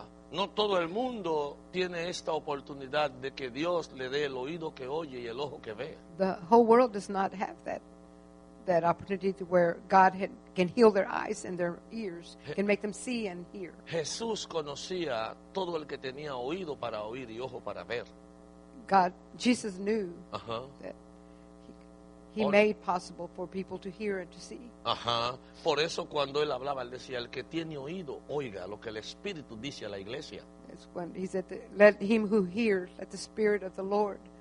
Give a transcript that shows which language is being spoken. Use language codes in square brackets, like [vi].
[es] No todo el mundo tiene esta oportunidad de que Dios le dé el oído que oye y el ojo que ve. [en] The whole world does not have that opportunity to where God can heal their eyes and their ears, can make them see and hear. [es] Jesús conocía todo el que tenía oído para oír y ojo para ver. [en] Jesus knew that he made possible for people to hear and to see. [es] Por eso cuando él hablaba, él decía, el que tiene oído, oiga lo que el Espíritu dice a la iglesia. [en] It's when he said, let him who hears, let the Spirit of the Lord.